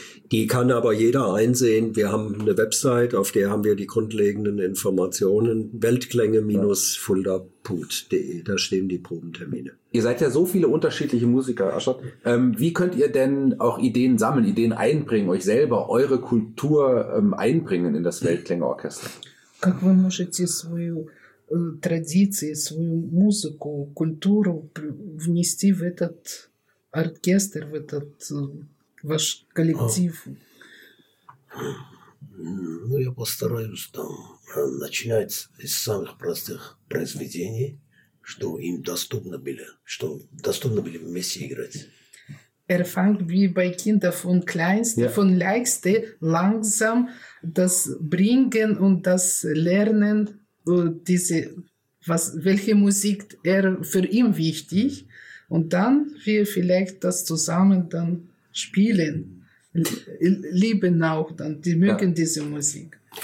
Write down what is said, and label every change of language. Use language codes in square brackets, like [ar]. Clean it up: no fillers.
[de] Die kann aber jeder einsehen. Wir haben eine Website, auf der haben wir die grundlegenden Informationen. Weltklänge-fulda.de. Da stehen die Probentermine. Ihr seid ja so viele unterschiedliche Musiker, Aschott. Wie könnt ihr denn auch Ideen sammeln, Ideen einbringen, euch selber, eure Kultur einbringen in das Weltklänge-Orchester? [ru] Как вы можете свою традиции, свою музыку, культуру внести в этот оркестр, в этот ваш коллектив? Ну, я постараюсь там начинать из самых простых произведений, что им доступно было, что доступно было вместе играть. [de] Er fängt wie bei Kindern von kleinste, von leichtste, langsam das Bringen und das Lernen, welche Musik er für ihn wichtig, und dann wir vielleicht das zusammen dann spielen, lieben auch dann, die mögen diese Musik.